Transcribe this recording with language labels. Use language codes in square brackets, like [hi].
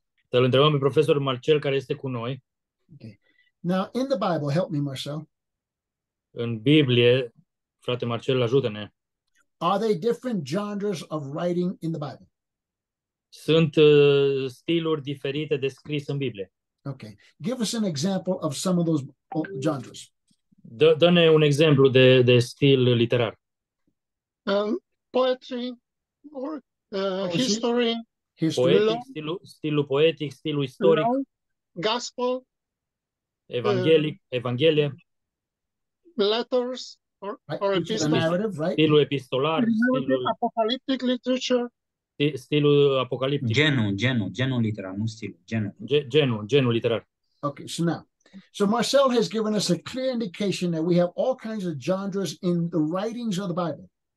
[ro] Să-l întrebăm pe profesorul Marcel care este cu noi. [en] Okay. Now, in the Bible, help me, Marcel. [ro] În Biblie, frate Marcel, ajută-ne. [en] Are there different genres of writing in the Bible? [ro] Sunt stiluri diferite de scris în Biblie. [en] Okay. Give us an example of some of those genres. [ro] Dă-ne un exemplu de stil literar. [en] Poetry or history. [ro] Poetic, stilul poetic, stilul istoric. [en] Long, gospel. [ro] Evanghelic, evanghelie. [en] Letters or epistles. [ro] Stilul epistolar, [en] apocalyptic literature. [ro] Stilul apocaliptic. Genul literar, nu stilul, genul literar. [en] Okay, so now. So Marcel has given us a clear indication that we have all kinds of genres in the writings of the Bible.